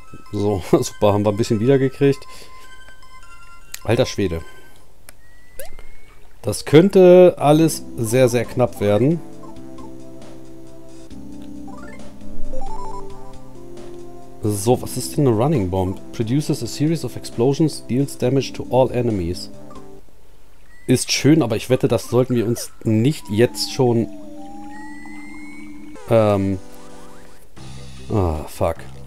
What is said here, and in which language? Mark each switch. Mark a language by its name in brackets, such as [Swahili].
[German] So, super, haben wir ein bisschen wiedergekriegt. Alter Schwede. Das könnte alles sehr, sehr knapp werden. So, was ist denn eine Running Bomb? [English] Produces a series of explosions, deals damage to all enemies. [German] Ist schön, aber ich wette, das sollten wir uns nicht jetzt schon. Ah, fuck.